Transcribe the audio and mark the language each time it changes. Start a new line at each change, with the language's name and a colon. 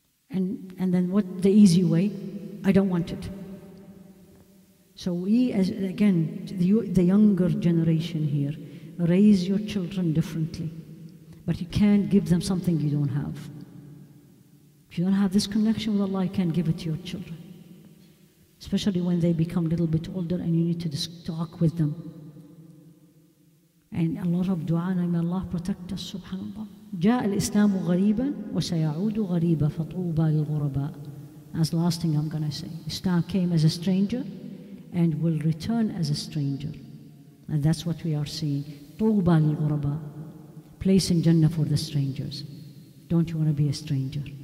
English: And then what the easy way? I don't want it. So we, as again, the younger generation here, raise your children differently. But you can't give them something you don't have. If you don't have this connection with Allah, you can't give it to your children. Especially when they become a little bit older and you need to talk with them. And a lot of dua, may Allah protect us, subhanAllah.
Arabic: جاء الإسلام غريبا وسيعود غريبا فطوبى للغرباء.
English: As last thing I'm going to say, Islam came as a stranger and will return as a stranger. And that's what we are seeing.
Arabic: طوبى للغرباء.
English: Place in Jannah for the strangers. Don't you want to be a stranger?